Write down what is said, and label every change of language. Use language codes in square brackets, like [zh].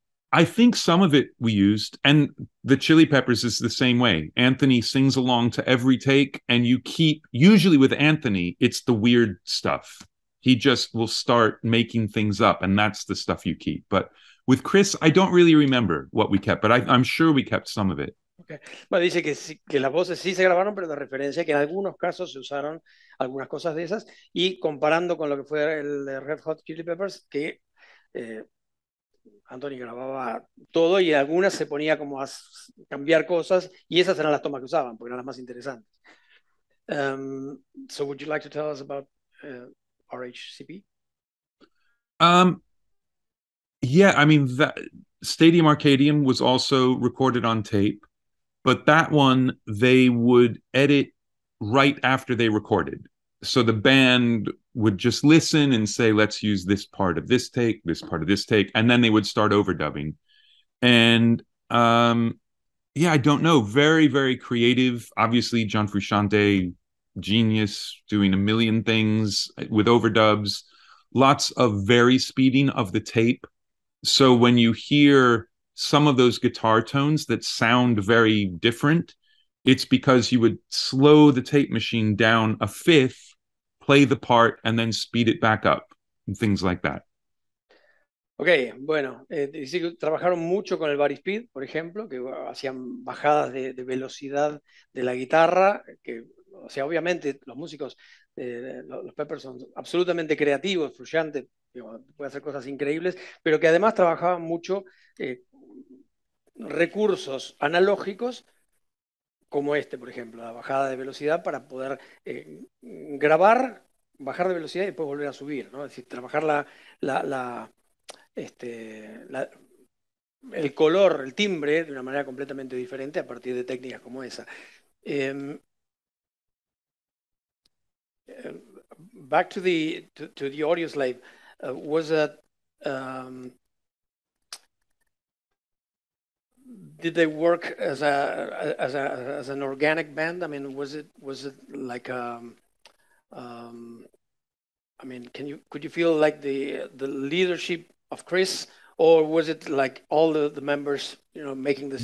[en] I think some of it we used, and the Chili Peppers is the same way. Anthony sings along to every take, and you keep, usually with Anthony, it's the weird stuff. He just will start making things up, and that's the stuff you keep. But with Chris, I don't really remember what we kept, but I'm sure we kept some of it. Okay. [es] Bueno, dice que las voces sí se grabaron, pero de referencia que en algunos casos se usaron algunas cosas de esas, y comparando con lo que fue el Red Hot Chili Peppers, que Anthony grababa todo y algunas se ponía como a cambiar cosas, y esas eran las tomas que usaban, porque eran las más interesantes. [en] So would you like to tell us about RHCP? Yeah, I mean, that Stadium Arcadium was also recorded on tape. But that one, they would edit right after they recorded. So the band would just listen and say, let's use this part of this take, this part of this take. And then they would start overdubbing. And yeah, I don't know. Very, very creative. Obviously, John Frusciante, genius, doing a million things with overdubs. Lots of very speeding of the tape. So when you hear some of those guitar tones that sound very different, it's because you would slow the tape machine down a fifth, play the part, and then speed it back up, and things like that. [es] Okay, bueno, sí, trabajaron mucho con el body speed, por ejemplo, que hacían bajadas de velocidad de la guitarra, que, o sea, obviamente los músicos, los Peppers son absolutamente creativos, Frusciante, puede hacer cosas increíbles, pero que además trabajaban mucho recursos analógicos como este, por ejemplo, la bajada de velocidad para poder grabar, bajar de velocidad y después volver a subir, ¿no? Es decir, trabajar el color, el timbre de una manera completamente diferente a partir de técnicas como esa. [en] Back to the to the Audioslave, was that did they work as an organic band? I mean, was it like I mean, could you feel like the leadership of Chris, or was it like all the members, you know, making this?